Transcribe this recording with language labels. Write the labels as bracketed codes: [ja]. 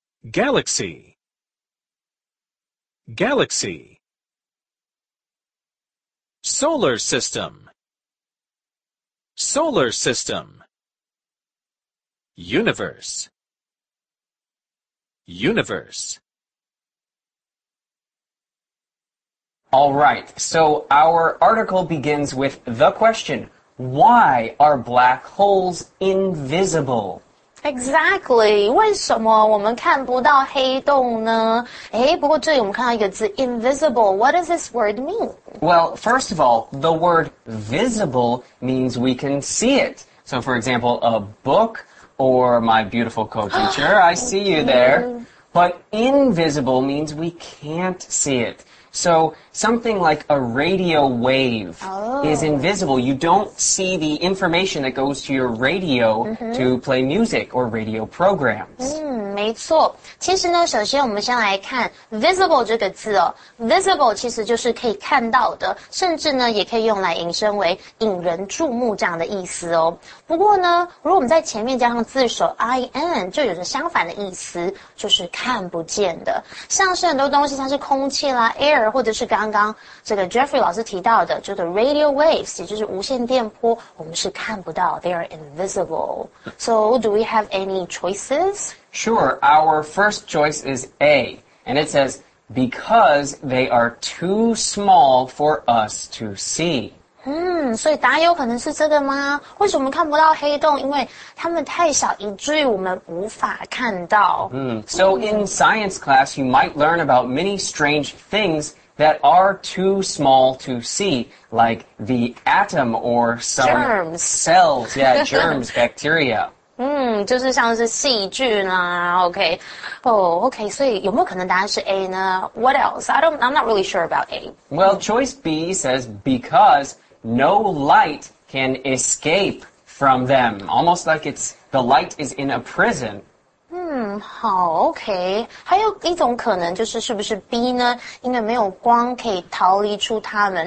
[en] Galaxy, galaxy, solar system, solar system, universe, universe. All right, so our article begins with the question, why are black holes invisible? Exactly. [zh] 为什么我们看不到黑洞呢？诶，不过这里我们看到一个字 invisible. [en] What does this word mean? Well, first of all, the word visible means we can see it. So, for example, a book or my beautiful co-teacher, I see you there. But invisible means we can't see it. So, something like a radio wave is invisible. You don't see the information that goes to your radio to play music or radio programs. [zh] 没错。其实呢，首先我们先来看 visible 这个字哦。 Visible 其实就是可以看到的，甚至呢，也可以用来引申为引人注目这样的意思哦。不过呢，如果我们在前面加上字首 in， 就有着相反的意思，就是看不见的。像是很多东西，像是空气啦 ，air， 或者是刚刚这个 Jeffrey 老师提到的，就是 radio waves， 也就是无线电波，我们是看不到 ， [en] they are invisible。 So do we have any choices? Sure, our first choice is A, and it says, because they are too small for us to see. [zh] 所以答案有可能是这个吗？为什么我们看不到黑洞？因为它们太小，以至于我们无法看到。 [en] So in science class, you might learn about many strange things that are too small to see, like the atom or some germs. Cells. Yeah, germs, bacteria. [zh] 就是像是细菌啦 ,OK. Oh, OK, 所以有没有可能答案是 A 呢? [en] What else? I'm not really sure about A. Well, choice B says, because no light can escape from them. Almost like it's the light is in a prison. [zh] 好 ,OK, 还有一种可能就是是不是 B 呢因为没有光可以逃离出他们。